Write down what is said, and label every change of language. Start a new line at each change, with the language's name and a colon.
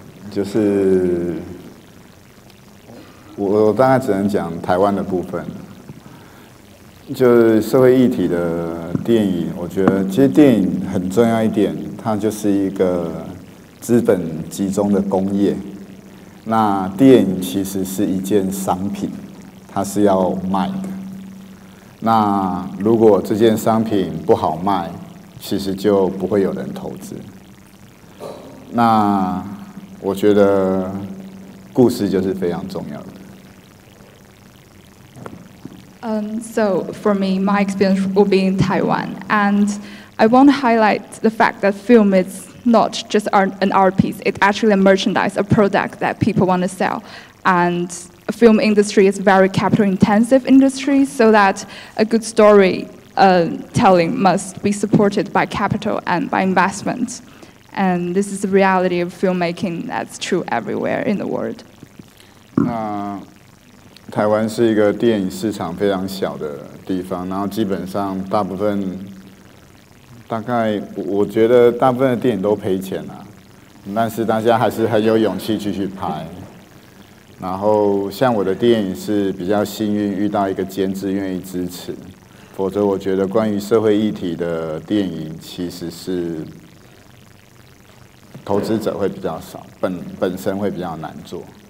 Chinese: 就是我大概只能讲台湾的部分，就是社会议题的电影，我觉得其实电影很重要一点，它就是一个资本集中的工业，那电影其实是一件商品，它是要卖的，那如果这件商品不好卖，其实就不会有人投资，那我觉得故事就是非常重要的。
English: So for me, my experience will be in Taiwan, and I want to highlight the fact that film is not just an art piece, it's actually a merchandise, a product that people want to sell. And the film industry is a very capital intensive industry, so that a good story telling must be supported by capital and by investment. And this is the reality of filmmaking that's true everywhere in the world.
Chinese: 台湾是一个电影市场非常小的地方，然后基本上大部分，大概我觉得大部分的电影都赔钱了，但是大家还是很有勇气继续拍。然后像我的电影是比较幸运，遇到一个监制愿意支持，否则我觉得关于社会议题的电影其实是投资者会比较少，本身会比较难做。